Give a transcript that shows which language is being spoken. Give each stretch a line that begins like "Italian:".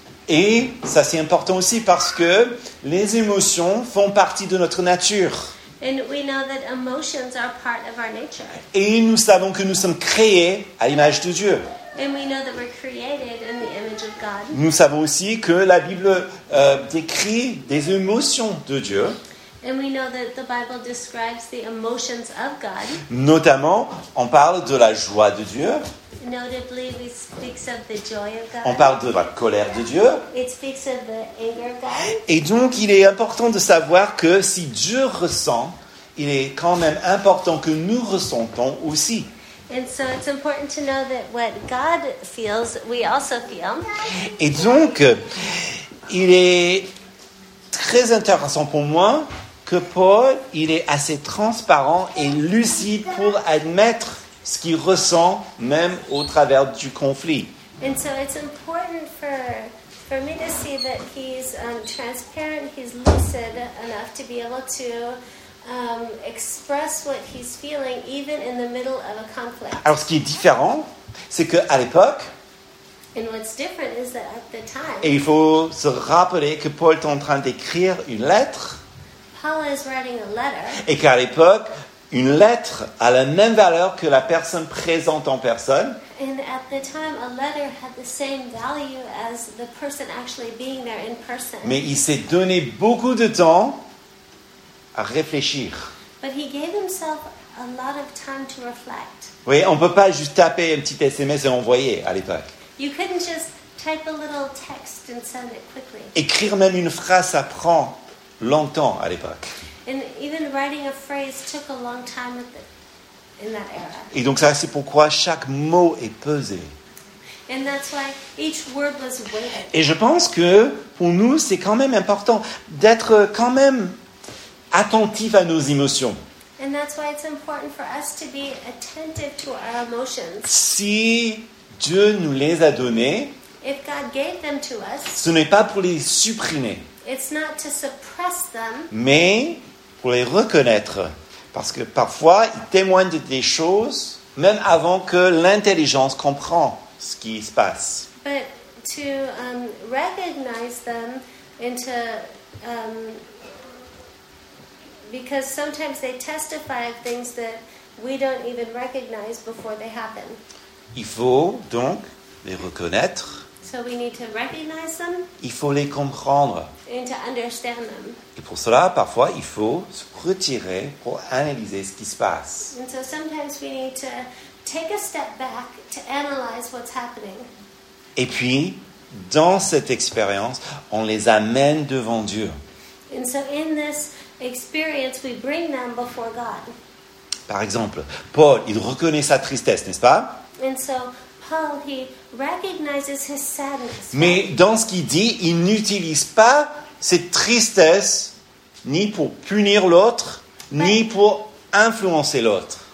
French: Et ça, c'est important aussi parce que les émotions font partie de notre nature.
English: And we know that emotions are part of our nature.
French: Et nous savons que nous sommes créés à l'image de Dieu.
English: And we know that we're created in the image of God.
French: Nous savons aussi que la Bible décrit des émotions de Dieu.
English: And we know that the Bible describes the emotions of God.
French: Notamment, on parle de la joie de Dieu.
English: Notably, it speaks of the joy of God.
French: On parle de la colère de Dieu.
English: It speaks of the anger of God.
French: Et donc, il est important de savoir que si Dieu ressent, il est quand même important que nous ressentons aussi.
English: And so it's important to know that what God feels, we also feel.
French: Et donc, il est très intéressant pour moi que Paul, il est assez transparent et lucide pour admettre ce qu'il ressent même au travers du conflit.
English: And so it's important for me to see that he's transparent, he's lucid enough to be able to express what he's feeling even in the middle of a conflict.
French: Alors ce qui est différent, c'est qu'à l'époque,
English: and what's different is that at the time,
French: et il faut se rappeler que Paul est en train d'écrire une lettre,
English: Paul is writing a letter,
French: et qu'à l'époque, une lettre a la même valeur que la personne présente en personne.
English: And at the time, a letter had the same value as the person actually being there in person.
French: Mais il s'est donné beaucoup de temps à réfléchir.
English: But he gave himself a lot of time to reflect.
French: Oui, on ne peut pas juste taper un petit SMS et envoyer à l'époque.
English: You couldn't just type a little text and send it quickly.
French: Écrire même une phrase, ça prend longtemps à l'époque.
English: And even writing a phrase took a long time in that era.
French: Et donc ça, c'est pourquoi chaque mot est pesé.
English: And that's why each word was weighted.
French: Et je pense que pour nous, c'est quand même important d'être quand même attentif à nos émotions.
English: And that's why it's important for us to be attentive to our emotions.
French: Si Dieu nous les a donnés,
English: if God gave them to us,
French: ce n'est pas pour les supprimer.
English: It's not to suppress them,
French: mais pour les reconnaître. Parce que parfois, ils témoignent de des choses même avant que l'intelligence comprend ce qui se passe.
English: But to recognize them and to... Because sometimes they testify of things that we don't even recognize before they happen.
French: Il faut donc les reconnaître.
English: So we need to recognize them.
French: Il faut les comprendre.
English: And to understand them.
French: Et pour cela, parfois, il faut se retirer pour analyser ce qui se passe.
English: And so sometimes we need to take a step back to analyze what's happening.
French: Et puis, dans cette expérience, on les amène devant Dieu.
English: And so in this experience, we bring them before God.
French: Par exemple, Paul, il reconnaît sa tristesse, n'est-ce pas?
English: And so Paul, he recognizes his sadness.
French: Mais dans ce qu'il dit, il n'utilise pas cette tristesse ni pour punir l'autre, ni pour influencer l'autre.